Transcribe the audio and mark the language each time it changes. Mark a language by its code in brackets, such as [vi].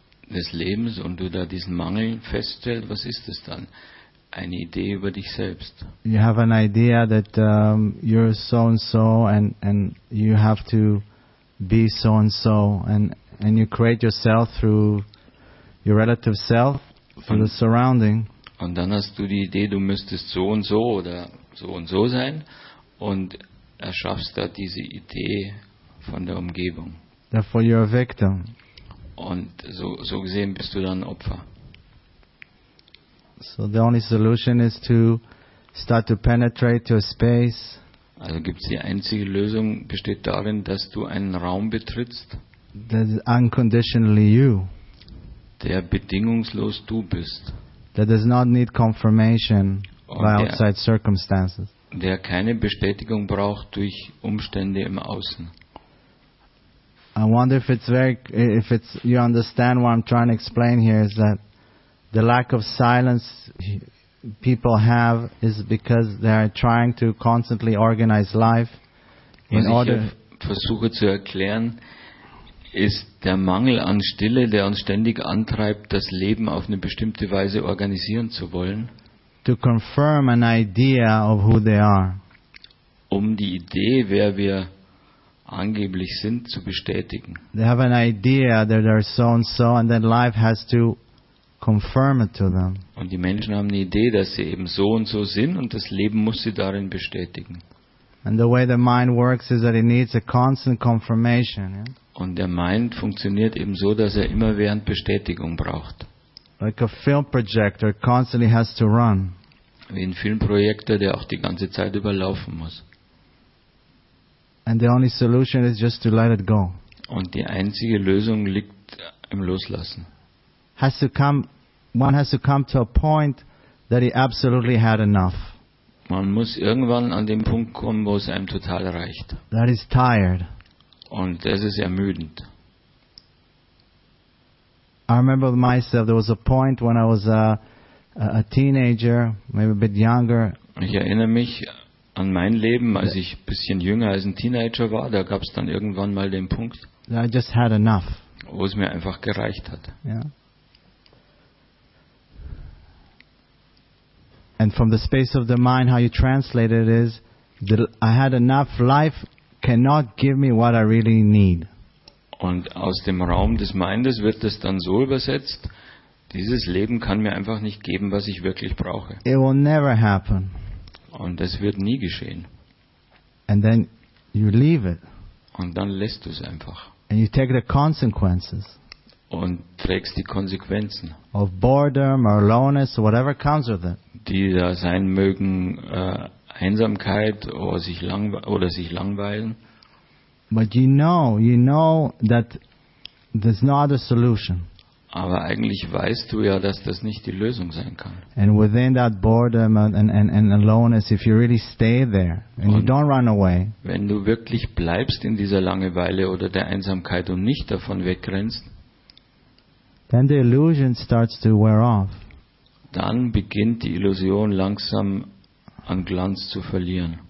[de] Des Lebens und du da diesen Mangel feststellst, was ist es dann? Eine Idee über dich selbst. [en] You have an idea that you're so and so, and you have to be so and so, and you create yourself through your relative self, through the surrounding. [de] Und dann hast du die Idee, du müsstest so und so oder so und so sein, und erschaffst da diese Idee von der Umgebung. [en] Therefore you're a victim. [de] Und so gesehen bist du dann Opfer. [en] So the only solution is to start to penetrate to a space. [de] Also gibt es die einzige Lösung, besteht darin, dass du einen Raum betrittst, [en] that is unconditionally you, [de] der bedingungslos du bist, [en] that does not need confirmation by outside circumstances, [de] der keine Bestätigung braucht durch Umstände im Außen. [en] I wonder if it's you understand what I'm trying to explain here, is that the lack of silence people have is because they are trying to constantly organize life in order. [de] Was ich versuche zu erklären, ist der Mangel an Stille, der uns ständig antreibt, das Leben auf eine bestimmte Weise organisieren zu wollen. [en] To confirm an idea of who they are. [de] Um die Idee, wer wir angeblich sind, zu bestätigen. [en] They have an idea that they are so and so, and then life has to confirm it to them. [de] Und die Menschen haben die Idee, dass sie eben so und so sind, und das Leben muss sie darin bestätigen. [en] And the way the mind works is that it needs a constant confirmation. Yeah? [de] Und der Mind funktioniert eben so, dass er immerwährend Bestätigung braucht. [en] Like a film projector constantly has to run. [de] Wie ein Filmprojektor, der auch die ganze Zeit überlaufen muss. [en] And the only solution is just to let it go. [de] Und die einzige Lösung liegt im Loslassen. [en] Has to come, one has to come to a point that he absolutely had enough. [de] Man muss irgendwann an den Punkt kommen, wo es einem total reicht. [en] That is tired. [de] Und das ist ermüdend. [en] I remember myself, there was a point when I was a teenager, maybe a bit younger. [de] Ich erinnere mich an mein Leben, als ich ein bisschen jünger als ein Teenager war, da gab es dann irgendwann mal den Punkt, [en] that I just had enough. [de] Wo es mir einfach gereicht hat. [en] Yeah. And from the space of the mind, how you translate it is, I had enough. Life cannot give me what I really need. [de] Und aus dem Raum des Mindes wird es dann so übersetzt: Dieses Leben kann mir einfach nicht geben, was ich wirklich brauche. [en] It will never happen. [de] Und es wird nie geschehen. [en] And then you leave it. [de] Und dann lässt du es einfach. [en] And you take the consequences. [de] Und trägst die Konsequenzen. [en] Of boredom or loneliness, whatever comes with it. [de] Die da sein mögen, Einsamkeit oder sich langweilen. [en] But you know that there's no other solution. [de] Aber eigentlich weißt du ja, dass das nicht die Lösung sein kann. [en] And within that boredom and aloneness, if you really stay there and you don't run away, [de] wenn du wirklich bleibst in dieser Langeweile oder der Einsamkeit und nicht davon wegrennst, [en] then the illusion starts to wear off. [de] Dann beginnt die Illusion langsam an Glanz zu verlieren.